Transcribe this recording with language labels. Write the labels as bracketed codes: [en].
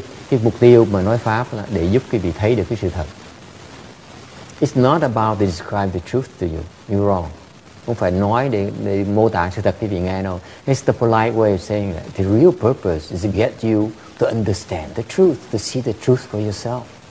[vi] Cái mục tiêu mà nói pháp là để giúp quý vị thấy được cái sự thật. [en] It's not about to describe the truth to you. You're wrong. [vi] Không phải nói để mô tả sự thật quý vị nghe đâu. [en] It's the polite way of saying that. The real purpose is to get you to understand the truth, to see the truth for yourself.